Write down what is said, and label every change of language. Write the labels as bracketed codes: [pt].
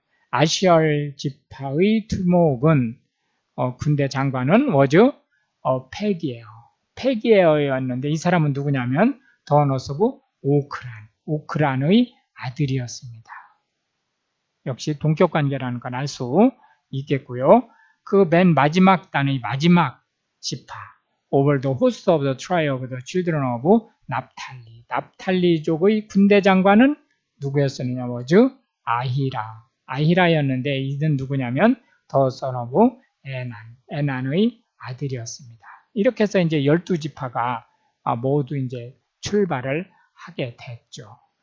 [ko] 아시알 지파의 두목은 군대 장관은 워즈 패기에어. 패기에어였는데 이 사람은 누구냐면 [en] 더너스 오브 [ko] 오크란. 오크란의 아들이었습니다. 역시 동격 관계라는 건 알 수 있겠고요. 그 맨 마지막 단의 마지막 지파. [en] Over the host of the tribe of the children of Naphtali. [ko] 납탈리족의 군대 장관은 누구였었느냐? 워즈 아히라. 아히라였는데 이는 누구냐면 [en] 더 son of Enan. [ko] 에난의 아들이었습니다. 이렇게 해서 이제 열두 지파가 모두 이제 출발을 하게 됐죠.